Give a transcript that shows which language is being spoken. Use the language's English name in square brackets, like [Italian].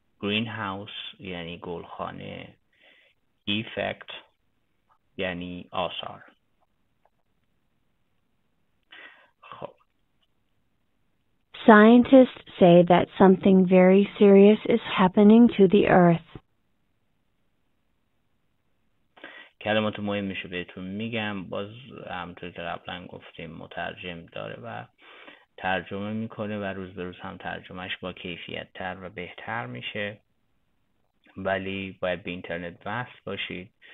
[Persian] گرین هاوس یعنی گلخانه، ایفکت یعنی آثار. خب [English] Scientists say that something very serious is happening to the earth. [Persian] کلمات مهمش رو بهتون میگم، باز همونطور که قبلا گفتیم مترجم داره و ترجمه میکنه و روز به روز هم ترجمهش با کیفیت تر و بهتر میشه، ولی باید به اینترنت وصل باشید.